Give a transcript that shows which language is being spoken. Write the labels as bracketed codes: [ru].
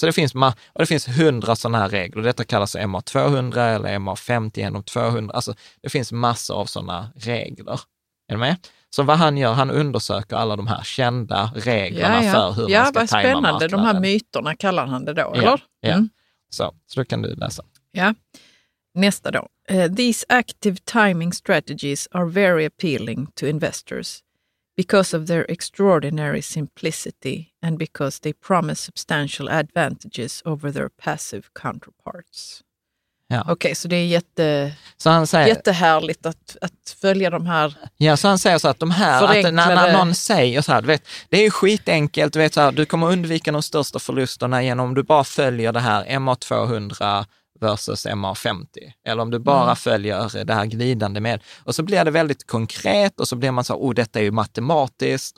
[sv] Så det finns 100 sådana här regler, detta kallas MA200 eller MA50 genom 200, alltså det finns massa av sådana regler. Är du med? Så vad han gör, han undersöker alla de här kända reglerna ja, ja. För hur ja, man ska tajma marknaden. Ja, vad spännande, marknaden. De här myterna kallar han det då, eller? Ja, ja. Mm. Så kan du läsa. Ja, nästa då. [en] These active timing strategies are very appealing to investors because of their extraordinary simplicity and because they promise substantial advantages over their passive counterparts. [sv] Ja. Okej, okay, så det är jättehärligt att följa de här. Ja, så han säger så att de här, förenklade... att när någon säger så här, du vet, det är ju skitenkelt, du vet så här, du kommer undvika de största förlusterna genom om du bara följer det här MA200 versus MA50. Eller om du bara följer det här glidande med. Och så blir det väldigt konkret och så blir man så här, oh, detta är ju matematiskt.